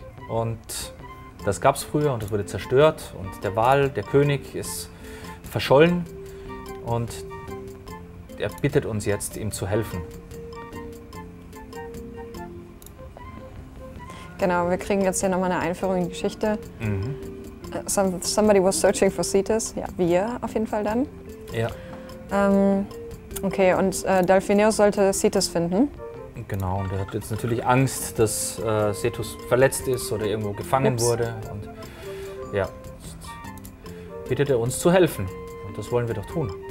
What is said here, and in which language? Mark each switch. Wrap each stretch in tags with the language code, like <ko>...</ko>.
<de>Und das gab es früher und das wurde zerstört. Und der Wal, der König, ist verschollen. Und er bittet uns jetzt, ihm zu helfen. Genau, wir kriegen jetzt hier nochmal eine Einführung in die Geschichte. Mhm.</de> <en>somebody was searching for Cetus.</en> <de>Ja, wir auf jeden Fall dann. Ja. Okay, und Delfineus sollte Cetus finden. Genau, und er hat jetzt natürlich Angst, dass Cetus verletzt ist oder irgendwo gefangen wurde. Und ja, bittet er uns zu helfen. Und das wollen wir doch tun.</de>